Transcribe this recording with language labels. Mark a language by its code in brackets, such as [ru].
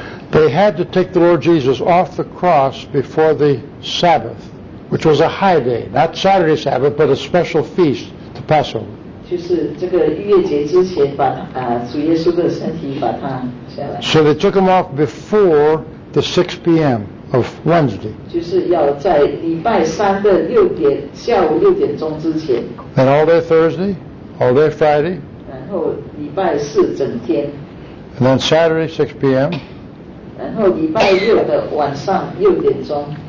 [en] they had to take the Lord Jesus off the cross before the Sabbath, which was a high day, not Saturday Sabbath, but a special feast, the Passover. [zh] 就是这个逾越节之前把主耶稣的身体把它下来。 [en] So they took him off before the 6 p.m. of Wednesday. [zh] 就是要在礼拜三的六点，下午六点钟之前。 [en] And all day Thursday, all day Friday. [zh] 然后礼拜四整天。 [en] And then Saturday, 6 p.m. [zh] 然后礼拜六的晚上六点钟。